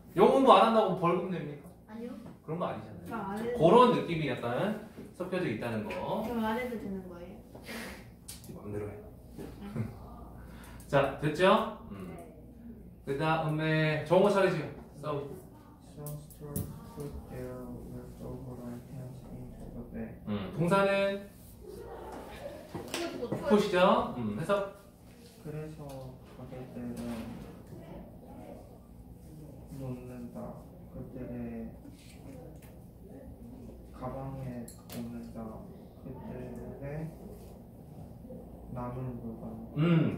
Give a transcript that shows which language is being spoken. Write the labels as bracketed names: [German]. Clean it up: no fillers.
[Korean] 영어 공부 안 한다고 벌금 냅니까? 아니요. 그런 거 아니잖아요. 그런 느낌이 약간 섞여져 있다는 거. 그럼 안 해도 되는 거예요? 마음대로 해. 자 됐죠? 그 다음에 좋은 거 차리지. 싸우지. [English] Some store put their leftover items into the bag. [Korean] 동사는 push죠? 해석. 그 그래서 가게들은 놓는다. 그들의 가방에 놓는다. 그들의 남은 물건.